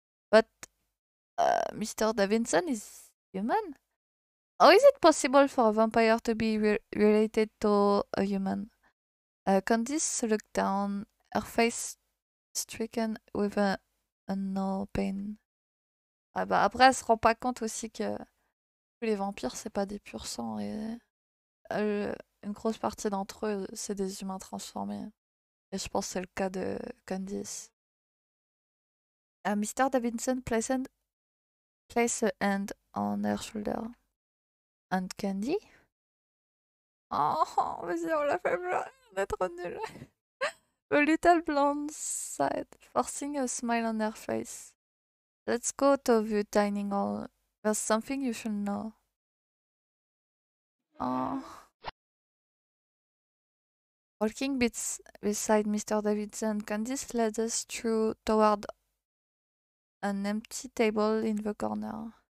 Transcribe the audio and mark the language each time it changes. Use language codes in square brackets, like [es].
[en] But Mr. Davidson is human? How is it possible for a vampire to be related to a human? Candice looked down, her face stricken with no pain. [fr] Ah bah après, elle se rend pas compte aussi que les vampires, c'est pas des purs sangs. Et une grosse partie d'entre eux, c'est des humains transformés. Et je pense que c'est le cas de Candice. Mr. [en] Davidson place a hand on her shoulder. And Candy? [fr] Oh, vas-y, on l'a fait bien, être nul. [en] The little blonde sighed, forcing a smile on her face. Let's go to the dining hall. There's something you should know. Oh. Walking beside Mr. Davidson, Candice led us through toward an empty table in the corner.